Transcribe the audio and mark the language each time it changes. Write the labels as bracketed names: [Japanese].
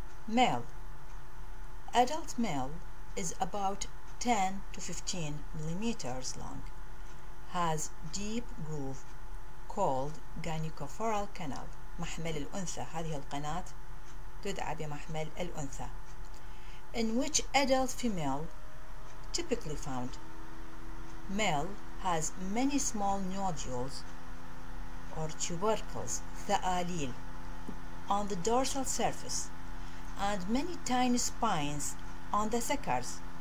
[English] Male. Adult male is about 10 to 15 millimeters long, has deep groove called gynecophoral canal. [Arabic] محمل الأنثى, هذه القناة تدعى بمحمل الأنثى. [English] In which adult female typically found. Male has many small nodules or tubercles, ثآليل, on the dorsal surface and many tiny spines on the suckers.